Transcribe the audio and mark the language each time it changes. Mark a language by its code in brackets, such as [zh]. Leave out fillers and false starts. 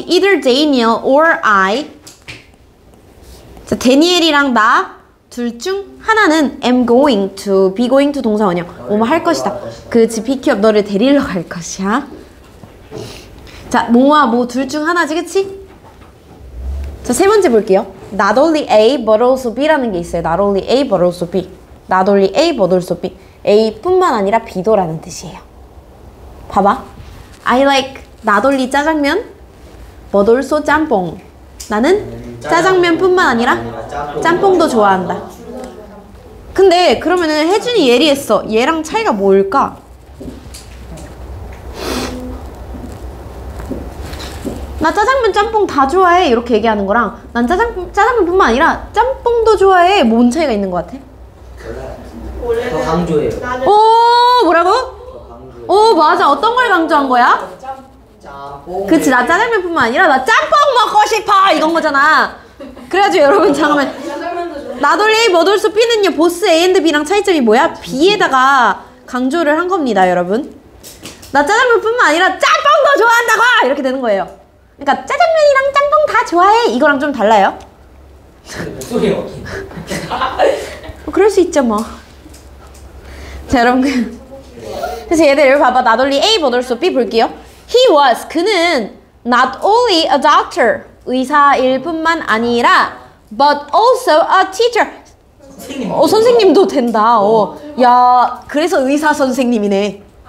[en] Either Daniel or I. [ko] 자, 데니엘이랑 나 둘 중 하나는 am going to, be going to 동사원형. 뭐뭐 할 것이다. 그치, 피키업 너를 데리러 갈 것이야. 자, 뭐와 뭐 둘 중 하나지, 그치? 자, 세 번째 볼게요. [en] Not only A but also B [ko] 라는 게 있어요. Not only A but also B. [en] not only A but also B. [ko] A뿐만 아니라 B도라는 뜻이에요. 봐봐. [en] I like 나돌리 짜장면, but also 짬뽕. [ko] 나는 짜장면뿐만 아니라 짬뽕도 좋아한다. 근데 그러면은 혜준이 예리했어. 얘랑 차이가 뭘까? 나 짜장면, 짬뽕 다 좋아해 이렇게 얘기하는 거랑 난 짜장면뿐만 아니라 짬뽕도 좋아해 뭔 차이가 있는 것 같아? 원래 더 강조해요. 오 뭐라고? 오 맞아. 어떤 걸 강조한 거야? 짬뽕. 그치, 나 짜장면뿐만 아니라 나 짬뽕 먹고 싶어 이건 거잖아. 그래가지고 여러분 잠깐만, 나돌리 A, 머돌수 B는요, 보스 A&B랑 차이점이 뭐야? B에다가 강조를 한 겁니다 여러분. 나 짜장면뿐만 아니라 짬뽕도 좋아한다고 이렇게 되는 거예요. 그니까 짜장면이랑 짬뽕 다 좋아해 이거랑 좀 달라요? 목소리가 어떻게 그럴 수 있죠 뭐. 자 여러분, 그래서 얘들 여기 봐봐. 나돌리 A 버돌소 B 볼게요. [en] He was, 그는 not only a doctor, [ko] 의사일 뿐만 아니라 [en] but also a teacher, [ko] 선생님. 어, 선생님도 된다. 오, 야 그래서 의사 선생님이네.